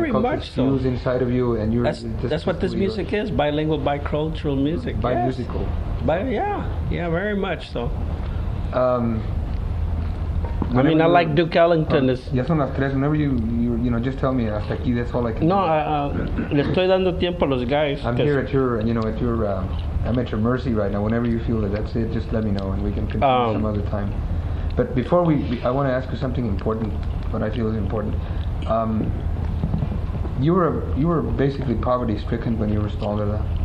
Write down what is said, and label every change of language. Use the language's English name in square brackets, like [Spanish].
[English] Very much so. Fuse inside of you, and you're that's what this music is, bilingual, bicultural music. Bimusical. Yes. Yeah, very much so. Whenever I mean, I like Duke Ellington. Yes, on after [Spanish] tres. [English] Whenever you know, just tell me. [Spanish] Hasta aquí, [English] that's all I can. [Spanish] No, le estoy dando tiempo a los [English] guys. I'm here at your, you know, at your. I'm at your mercy right now. Whenever you feel that that's it, just let me know, and we can continue some other time. But before I want to ask you something important. What I feel is important. You were basically poverty stricken when you were smaller.